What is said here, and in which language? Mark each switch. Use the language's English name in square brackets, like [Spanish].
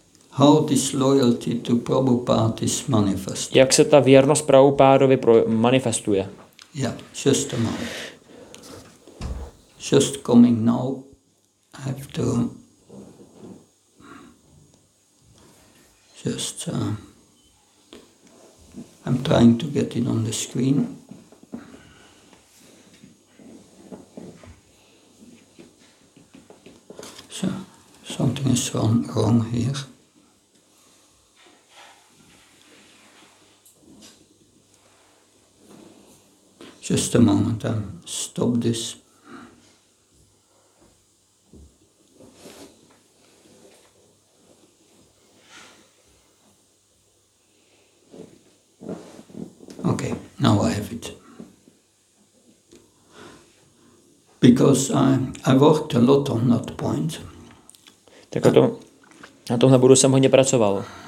[English] How this loyalty to Prabhupada is manifested? [Czech] Jak se ta věrnost Prabhupádovi manifestuje? [English] Yeah, just a moment. Just coming now, I have to just I'm trying to get it on the screen. So something is wrong here. Just a moment, I'll stop this. Okay, now I have it. Because I worked a lot on that point. [Czech] Tak na tomhle budu jsem hodně pracoval.